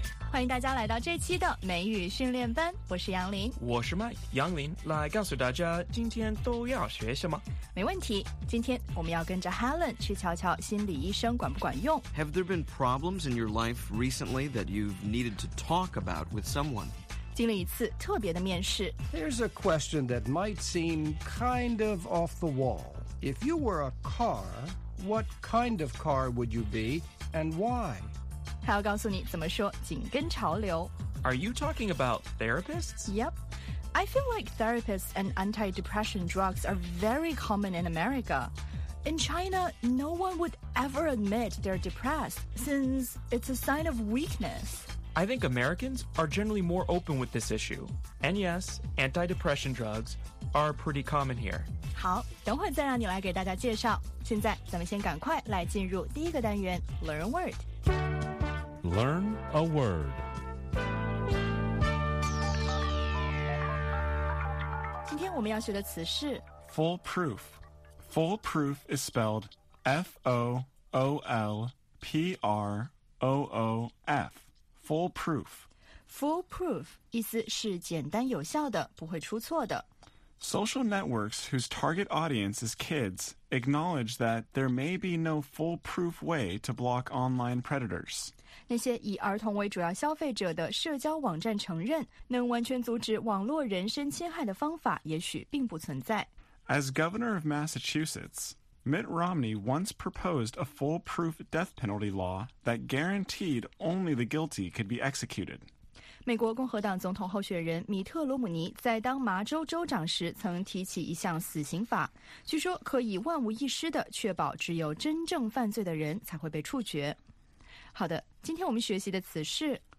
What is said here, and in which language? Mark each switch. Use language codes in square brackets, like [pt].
[zh] 欢迎大家来到这期的美语训练班，我是杨林，我是 Mike 杨林，来告诉大家今天都要学什么。没问题，今天我们要跟着 Helen 去瞧瞧心理医生管不管用。 [en] Have there been problems in your life recently that you've needed to talk about with someone? [zh] 经历一次特别的面试。 [en] There's a question that might seem kind of off the wall. If you were a car, what kind of car would you be and why? [zh] 还要告诉你怎么说紧跟潮流。 [en] Are you talking about therapists? Yep. I feel like therapists and anti-depression drugs are very common in America. In China, no one would ever admit they're depressed since it's a sign of weakness. I think Americans are generally more open with this issue. And yes, anti-depression drugs are pretty common here. [zh] 好，等会再让你来给大家介绍。现在咱们先赶快来进入第一个单元 [en] Learn Word. Learn a word. [zh] 今天我们要学的词是 [en] Foolproof. Foolproof is spelled F-O-O-L-P-R-O-O-F. Foolproof. [zh] Foolproof 意思是简单有效的，不会出错的。 [en] Social networks whose target audience is kids acknowledge that there may be no foolproof way to block online predators. [zh] 那些以儿童为主要消费者的社交网站承认，能完全阻止网络人身侵害的方法也许并不存在。 [en] As governor of Massachusetts,Mitt Romney once proposed a foolproof death penalty law that guaranteed only the guilty could be executed. [zh] 美国共和党总统候选人米特·罗姆尼在当麻州州长时曾提起一项死刑法，据说可以万无一失地确保只有真正犯罪的人才会被处决。好的，今天我们学习的词是